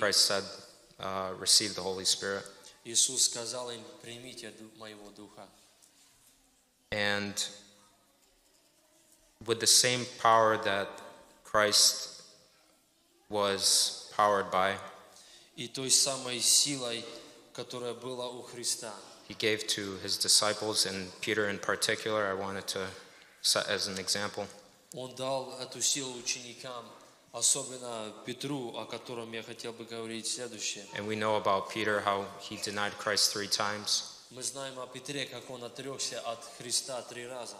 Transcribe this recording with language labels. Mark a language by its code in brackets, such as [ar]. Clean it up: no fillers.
[en] Christ said, receive the Holy Spirit. [ru] Иисус сказал им, примите моего духа. [en] And with the same power that Christ was powered by, [ru] и той самой силой, которая была у Христа, [en] he gave to his disciples, and Peter in particular, I wanted to set as an example. [ru] Он дал эту силу ученикам, особенно Петру, о котором я хотел бы говорить следующее. [en] And we know about Peter, how he denied Christ three times. [ru] Мы знаем о Петре, как он отрекся от Христа три раза.